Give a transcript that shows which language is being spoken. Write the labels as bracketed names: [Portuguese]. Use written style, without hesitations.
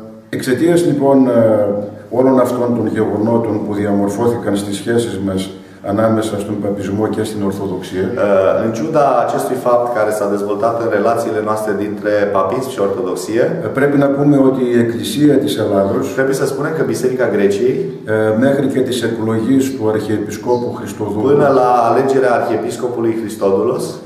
[Greek] Εξαιτίας λοιπόν όλων αυτών των γεγονότων που διαμορφώθηκαν στις σχέσεις μας ανάμεσα στον παπισμό και στην Ορθοδοξία. [Romanian] În ciuda acestui fapt care s-a dezvoltat în relațiile noastre dintre papism și Ortodoxie, trebuie să spunem că Eclesia [Greek] της Ελλάδος, [Romanian] trebuie să spunem că Biserica Greciei, [Greek] μέχρι και της εκλογής του Αρχιεπισκόπου Χριστοδούλου, [Romanian] până la alegerea Arhiepiscopului Hristodoulos,